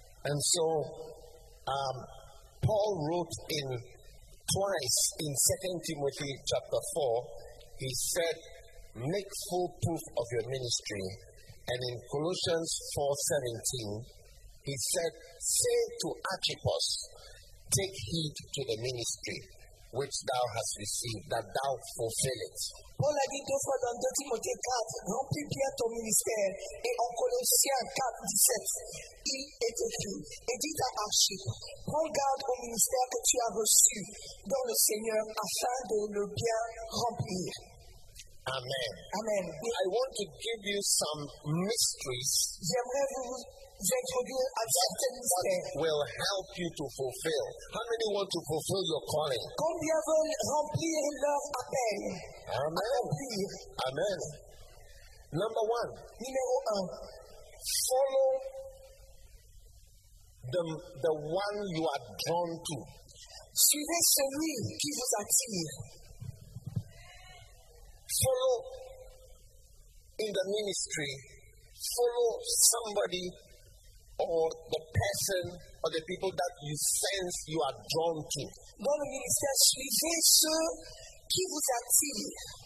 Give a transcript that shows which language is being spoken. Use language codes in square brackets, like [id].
[en] And so, Paul wrote in twice in 2 Timothy chapter 4, he said, make full proof of your ministry. And in Colossians 4:17, he said, say to Archippus, take heed to the ministry which thou hast received, that thou fulfill it. [fr] Paul a dit deux fois dans 2 Timothy 4, remplis bien ton ministère. Et en Colossiens 4:17, il est écrit, et dit à Archippe, prends garde au ministère que tu as reçu dans le Seigneur afin de le bien remplir. Amen. Amen. [en] I want to give you some mysteries. [fr] J'aimerais vous introduire à certains mystères. [en] Will help you to fulfill. How many want to fulfill your calling? [fr] Combien veulent remplir leur appel? Amen. Remplir. [en] Amen. Number one. [fr] Numéro un. [en] Follow the one you are drawn to. [fr] Suivez celui qui vous attire. [en] Follow in the ministry, follow somebody or the person or the people that you sense you are drawn to. [fr] Dans le ministère, suivez ceux qui vous attirent.